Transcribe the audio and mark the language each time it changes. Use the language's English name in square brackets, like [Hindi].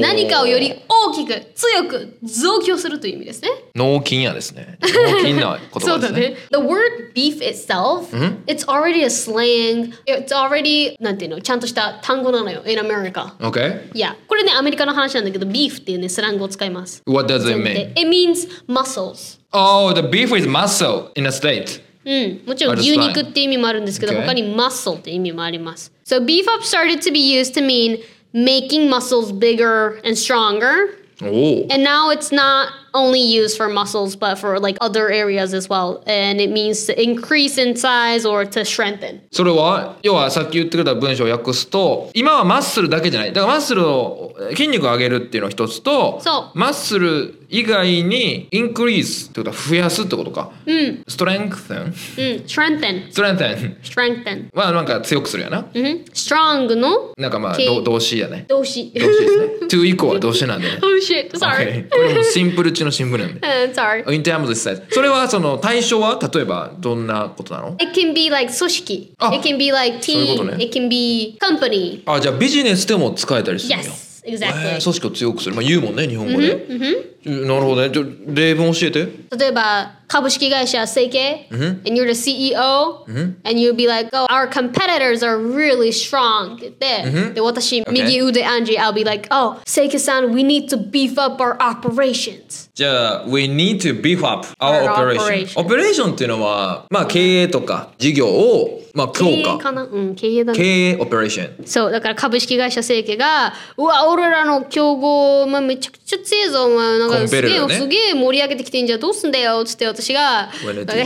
[Japanese] ー何かをより大きく強く増強するという意味ですね。脳筋やですね。脳筋な言葉ですね。そうだね。 [English] The word beef itself, it's already a slang. It's already, [Japanese] なんていうの、ちゃんとした単語なのよ。 [English] In America. Okay. Yeah. [Japanese] これね、アメリカの話なんだけど、beef っていうね、スラングを使います。 [English] What does it mean? It means muscles. Oh, the beef is muscle in a state. [Japanese] うん。もちろん牛肉っていう意味もあるんですけど、okay. 他に muscle っていう意味もあります。 [English] So beef up started to be used to meanMaking muscles bigger and stronger. Oh. And now it's not only used for muscles, but for like other areas as well. And it means to increase in size or to strengthen. [Japanese] それは、要はさっき言ってくれた文章を訳すと、今はマッスルだけじゃない。だからマッスルを筋肉を上げるっていうのが一つと、そう。マッスル以外に increase ってことは増やすってことか。うん。 [English] strengthen? うん。strengthen。 strengthen。 strengthen。 [Japanese] まあなんか強くするやな。うん。strong の。なんかまあ動詞やね。動詞。動詞ですね。to 以降は動詞なんで、ね。 [English] oh shit, sorry. [Japanese] これもシンプルちのシンプルなんで。 [English] sorry. in terms of size. [Japanese] それはその対象は例えばどんなことなの [English] ？It can be like 組織。 [Japanese] あ、 [English] It can be like team. [Japanese] そういうことね。 [English] It can be company. [Japanese] あ、じゃあビジネスでも使えたりする [English] よ。Yes. Exactly. [Japanese] 組織を強くする。まあ言うもんね、日本語で。 Mm-hmm. なるほどね。じゃ例文教えて。例えば、株式会社セイケ、 mm-hmm. [English] and you're the CEO,、 mm-hmm. and you'll be like, oh, our competitors are really strong. [Japanese] で、 mm-hmm. で私、 [English] okay. 右腕アンジー、I'll be like, oh, セイケさん、we need to beef up our operations. じゃあ、we need to beef up our operations. [Japanese] オペレーションっていうのは、まあ経営とか事業を、まあ、強化経営かな、うん、経営だね経営オペレーションそうだから株式会社セイケがうわ俺らの競合、まあ、めちゃくちゃ強いぞお前なんかコンペルだねすげえ盛り上げてきてんじゃんどうすんだよつって私が任